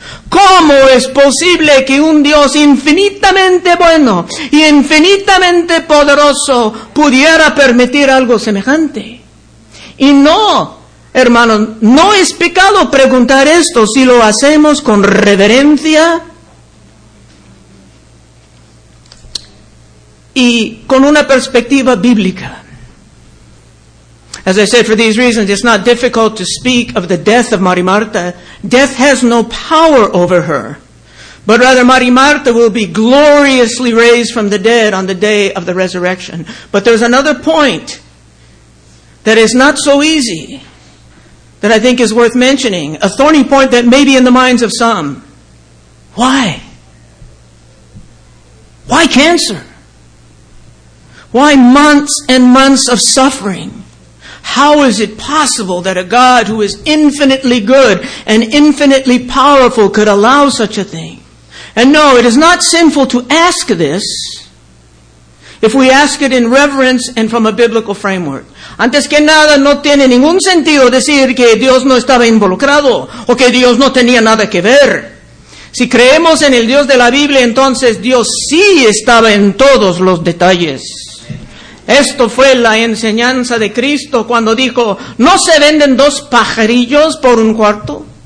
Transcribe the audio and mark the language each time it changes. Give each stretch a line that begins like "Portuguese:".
Spanish: ¿Cómo es posible que un Dios infinitamente bueno y infinitamente poderoso pudiera permitir algo semejante? Y no, hermanos, no es pecado preguntar esto si lo hacemos con reverencia y con una perspectiva bíblica.
English: As I said, for these reasons, it's not difficult to speak of the death of Mari Marta. Death has no power over her. But rather, Mari Marta will be gloriously raised from the dead on the day of the resurrection. But there's another point that is not so easy that I think is worth mentioning. A thorny point that may be in the minds of some. Why? Why cancer? Why months and months of suffering? How is it possible that a God who is infinitely good and infinitely powerful could allow such a thing? And no, it is not sinful to ask this if we ask it in reverence and from a biblical framework.
Spanish: Antes que nada, no tiene ningún sentido decir que Dios no estaba involucrado o que Dios no tenía nada que ver. Si creemos en el Dios de la Biblia, entonces Dios sí estaba en todos los detalles. Esto fue la enseñanza de Cristo cuando dijo, ¿no se venden dos pajarillos por un cuarto?